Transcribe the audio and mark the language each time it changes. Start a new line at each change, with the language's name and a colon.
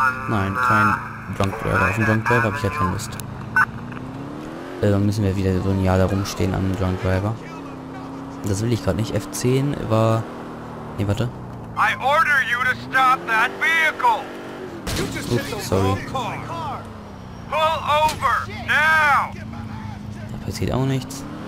German: Nein, kein Drunk Driver. Auf einen Drunk Driver habe ich ja keine Lust. Dann müssen wir wieder so ein Jahr da rumstehen am Drunk Driver. Das will ich gerade nicht. F10 war... Ne, warte.
English: I order you to stop that vehicle.
German: Ups, sorry.
English: Pull over, now.
German: Da passiert auch nichts.